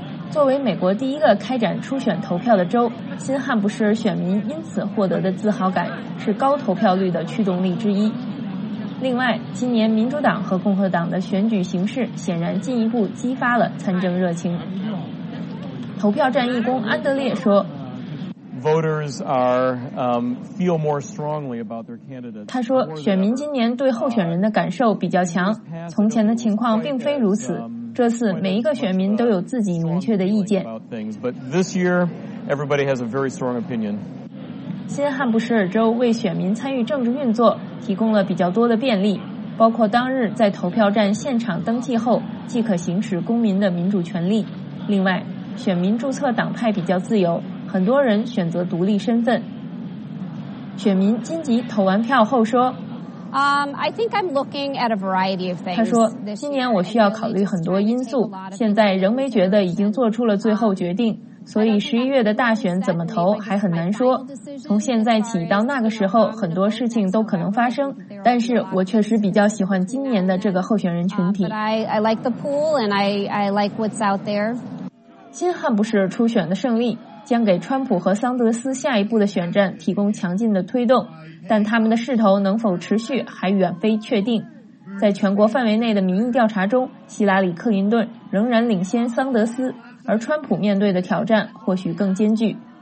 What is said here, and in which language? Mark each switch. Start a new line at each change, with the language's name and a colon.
Chinese: 作为美国第一个开展初选投票的州，新汉布什尔选民因此获得的自豪感是高投票率的驱动力之一。另外，今年民主党和共和党的选举形势显然进一步激发了参政热情。投票站义工安德烈说
English: Voters are, feel more strongly about their candidates.
Chinese: 他说选民今年对候选人的感受比较强，从前的情况并非如此，这次每一个选民都有自己明确的意见。
English: But this year, everybody has a very strong opinion.
Chinese: 新汉布什尔州为选民参与政治运作提供了比较多的便利，包括当日在投票站现场登记后即可行使公民的民主权利。另外，选民注册党派比较自由，很多人选择独立身份。选民金吉投完票后说
English: I think I'm looking at a variety of things.
Chinese: 他说今年我需要考虑很多因素，现在仍没觉得已经做出了最后决定，所以11月的大选怎么投还很难说，从现在起到那个时候很多事情都可能发生，但是我确实比较喜欢今年的这个候选人群体。
English: I like the pool and I like what's out there.
Chinese: 新汉布什尔初选的胜利将给川普和桑德斯下一步的选战提供强劲的推动，但他们的势头能否持续还远非确定。在全国范围内的民意调查中，希拉里·克林顿仍然领先桑德斯，而川普面对的挑战或许更艰巨。